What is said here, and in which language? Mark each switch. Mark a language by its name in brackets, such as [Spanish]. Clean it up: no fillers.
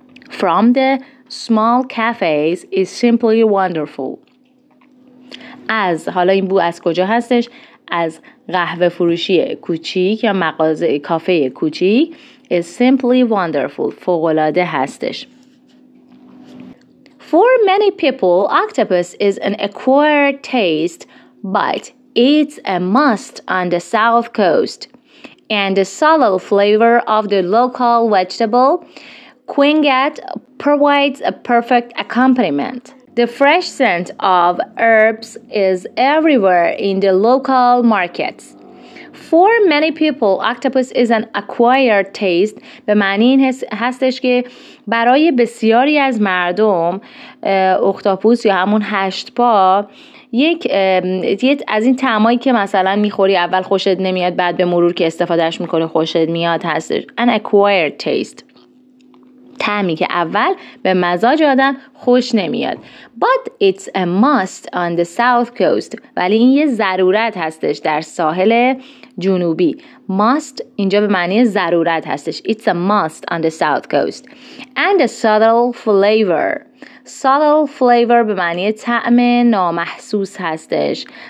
[English] From the small cafes is simply wonderful. [Persian] از حالا این بو از کجا هستش؟ از قهوه فروشی کوچیک یا مغازه کافه کوچیک. [English] Is simply wonderful. [Persian] فوق‌العاده هستش. [English] For many people, octopus is an acquired taste, but it's a must on the south coast. And the subtle flavor of the local vegetable, quinget, provides a perfect accompaniment. The fresh scent of herbs is everywhere in the local markets. For many people, octopus is an acquired taste. [Persian] به معنی این هستش که برای بسیاری از مردم اختاپوس یا همون هشت پا یک از این طعمایی که مثلا میخوری اول خوشت نمیاد بعد به مرور که استفادهش میکنه خوشت میاد هستش. [English] An acquired taste. [Persian] طعمی که اول به مزاج آدم خوش نمیاد. [English] But it's a must on the south coast. [Persian] ولی این یه ضرورت هستش در ساحل جنوبی. Must اینجا به معنی ضرورت هستش. [English] It's a must on the south coast. And a subtle flavor. Subtle flavor [Persian] به معنی طعم نامحسوس هستش.